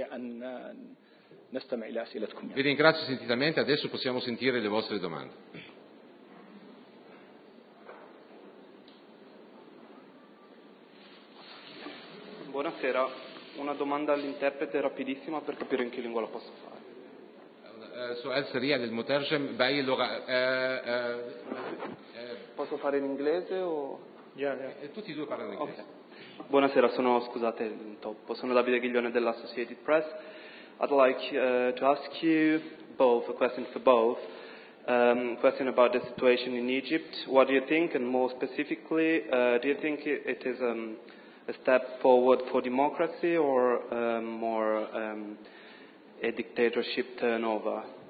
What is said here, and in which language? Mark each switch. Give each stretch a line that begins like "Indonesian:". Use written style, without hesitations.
Italian: Vi ringrazio sentitamente, adesso possiamo sentire le vostre domande. Buonasera, una domanda all'interprete rapidissima per capire in che lingua la posso fare.
Arabic: سؤال سريع للمترجم بأي لغة
Italian: posso fare in inglese o tutti e due parlano inglese. Buonasera, sono, scusate l'intoppo, sono Davide Ghiglione dell'Associated Press.
English: I'd like to ask you both a question for both. Question about the situation in Egypt. What do you think, and more specifically, do you think it is a step forward for democracy or more a dictatorship turnover.